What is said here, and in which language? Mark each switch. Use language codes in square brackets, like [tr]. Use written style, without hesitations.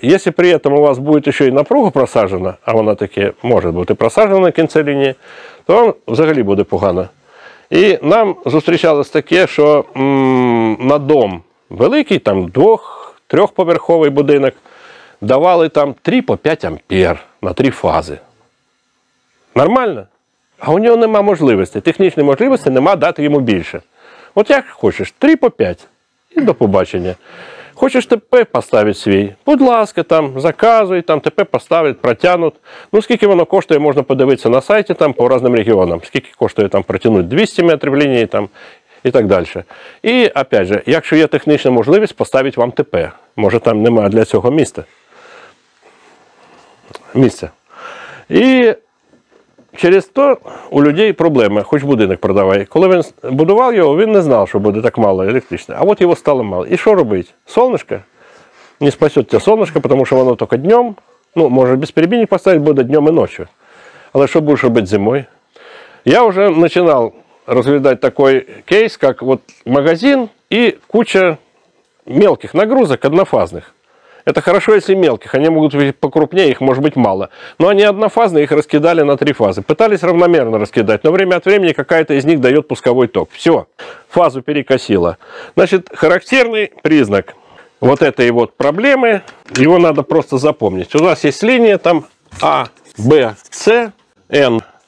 [ru] Если при этом у вас будет еще и напруга просажена, а она таки может быть и просажена на конце линии, то вам взагалі будет погано. И нам встречалось такое, что на дом великий, там [uk] 2-3-поверховый будинок, [ru] давали там 3 по 5 ампер на 3 фази. Нормально? [uk] А у нього нема можливості, технічної можливості нема дати йому більше. От як хочеш, 3 по 5 і до побачення. Хочеш ТП поставити свій, будь ласка, там заказуй, там ТП поставить, протягнуть. Ну скільки воно коштує, можна подивитися на сайті там по різним регіонам. Скільки коштує там протягнути 200 метрів лінії там і так далі. І, [ru] опять же, [uk] якщо є технічна можливість, поставить вам ТП. Може там немає для цього місця. І через то у людей проблеми, хоч будинок продавай. Коли він будував його, він не знав, що буде так мало електричне. А от його стало мало. І що робить? Сонечко? Не спасе тебе сонечко, тому що воно тільки днем. Ну, може без перебійник поставити, буде днем і ночі. Але що будеш робити зимою? Я вже починав розглядати такий кейс, як от магазин і куча [ru] мелких нагрузок однофазних. Это хорошо, если мелких, они могут быть покрупнее, их может быть мало. Но они однофазные, их раскидали на 3 фазы. Пытались равномерно раскидать, но время от времени какая-то из них дает пусковой ток. Все, фазу перекосило. Значит, характерный признак вот этой вот проблемы, его надо просто запомнить. У нас есть линия там А, Б, С, Н.